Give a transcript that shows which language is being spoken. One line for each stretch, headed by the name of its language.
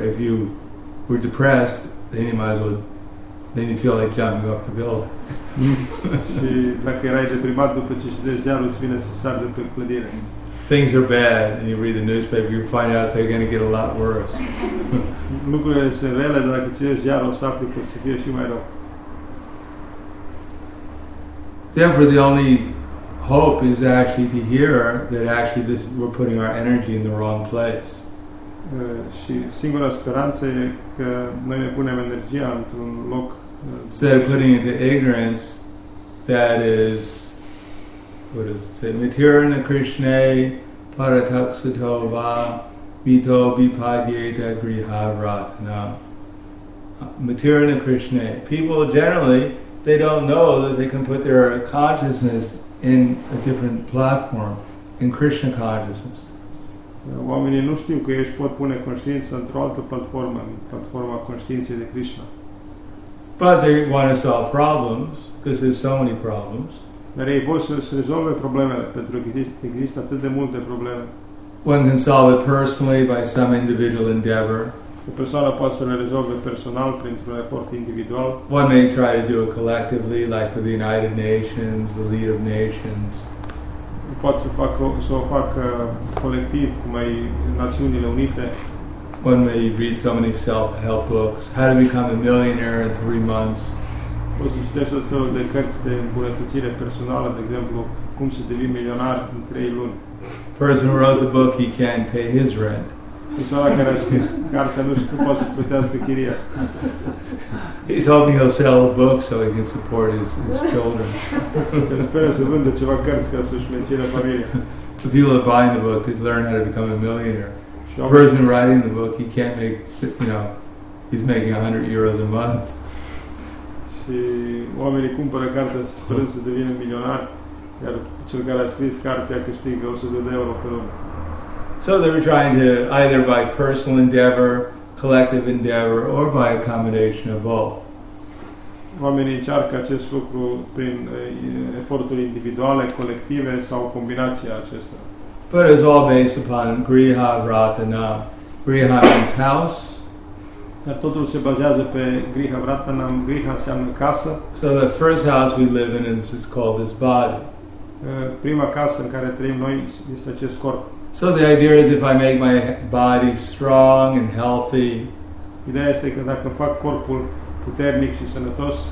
English: If you were depressed, then you might as well. Then you feel like jumping off the building.
Romanian: Și dacă erai deprimat după ce citești ziarul, îți vine să sari de pe clădire.
English: Things are bad, and you read the newspaper, you find out they're going to get a lot worse.
Romanian: Lucrurile sunt rele, dar dacă citești ziarul, să afli că se fie și mai rău.
English: Therefore, the only hope is actually to hear that actually this we're putting our energy in the wrong place.
Romanian: Și singura speranță e că noi ne punem energia într-un loc.
English: Instead of putting into ignorance, that is, what does it say?
Sanskrit: Mitirna Krishne Parataksatova Mito Bipadyeta Grihavratana. Mitirna Krishne.
English: People generally, they don't know that they can put their consciousness in a different platform, in Krishna consciousness.
Romanian: Oamenii nu știu că ei pot pune conștiința într-o altă platformă, în platforma conștiinței de Krishna.
English: But they want to solve problems because there's so many problems.
Romanian: Dar ei vor să rezolve problemele pentru că există atât de multe probleme.
English: One can solve it personally by some individual endeavor.
Romanian: O persoană poate să le rezolve personal printr-un efort individual.
English: One may try to do it collectively, like with the United Nations, the League of Nations.
Romanian: Poate să o facă colectiv, cum ai Națiunile Unite.
English: One may read so many self-help books. How to Become a Millionaire in 3 months.
Romanian: Poți să citești tot felul de cărți de îmbunătățire personală, de exemplu, cum să devii milionar în 3 luni.
English: Person who wrote the book, he can't pay his rent.
Romanian: Persoana care a scris cartea nu știu cum poate să plătească chiria.
English: He's hoping he'll sell a book so he can support his children.
Romanian: El speră să vândă ceva cărți ca să-și mențină familia.
English: The people are buying the book to learn how to become a millionaire. The person writing the book, he can't make, you know, he's making 100 euros a month.
Romanian: Și oamenii cumpără cartea sperând să devină milionar, iar cel care a scris cartea câștigă 100 de euro pe lună.
English: So they were trying to, either by personal endeavor, collective endeavor, or by a combination of both.
Romanian: Oamenii încearcă acest lucru prin eforturi individuale, colective, sau combinația acestea.
English: But it's all based upon griha vratana. Griha means house.
Romanian: Dar totul se bazează pe griha vratana. Griha înseamnă casă.
English: So the first house we live in is called this body.
Romanian: Prima casă în care trăim noi este acest corp.
English: So the idea is if I make my body strong and healthy.
Romanian: Ideea este că dacă fac corpul puternic și sănătos.